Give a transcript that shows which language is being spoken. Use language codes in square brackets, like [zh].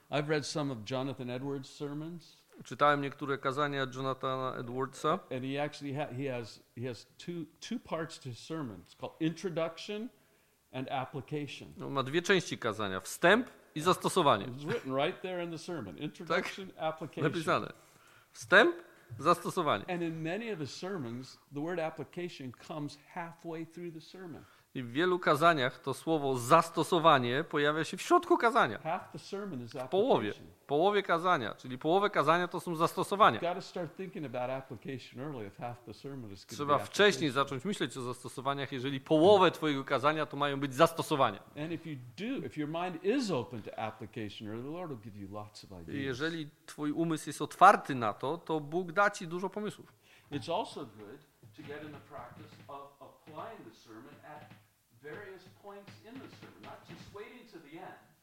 [en] I've read some of Jonathan Edwards' sermons. [pl] Czytałem niektóre kazania Jonathana Edwardsa. [en] And he actually he has two parts to his sermon. It's called introduction and application. [pl] On ma dwie części kazania: wstęp i zastosowanie. [en] Right there in the sermon. Introduction, application. [pl] Napisane. Wstęp, zastosowanie. [en] And in many of his sermons, the word application comes halfway through the sermon. [pl] I w wielu kazaniach to słowo zastosowanie pojawia się w środku kazania. [en] Half the sermon is application. [pl] Połowie kazania, czyli połowę kazania to są zastosowania. [en] You've got to start thinking about application early if half the sermon is. [pl] Trzeba wcześniej zacząć myśleć o zastosowaniach, jeżeli połowę twojego kazania to mają być zastosowania. [en] And if you do, if your mind is open to application, the Lord will give you lots of ideas. [pl] Jeżeli twój umysł jest otwarty na to, to Bóg da ci dużo pomysłów. [en] It's also good to get in the practice of applying the sermon at various points in the sermon, not just waiting to the end.